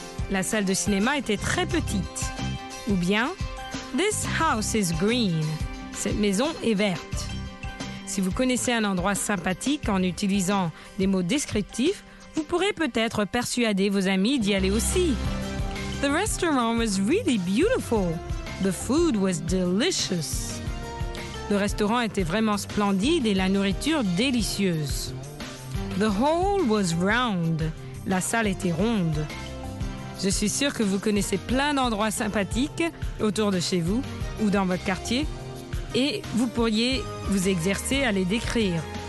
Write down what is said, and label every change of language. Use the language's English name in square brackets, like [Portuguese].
[French] La salle de cinéma était très petite. Ou bien, [English] this house is green. [French] Cette maison est verte. Si vous connaissez un endroit sympathique en utilisant des mots descriptifs, vous pourrez peut-être persuader vos amis d'y aller aussi. [English] The restaurant was really beautiful. The food was delicious. [French] Le restaurant était vraiment splendide et la nourriture délicieuse. [English] The hall was round. [French] La salle était ronde. Je suis sûre que vous connaissez plein d'endroits sympathiques autour de chez vous ou dans votre quartier et vous pourriez vous exercer à les décrire.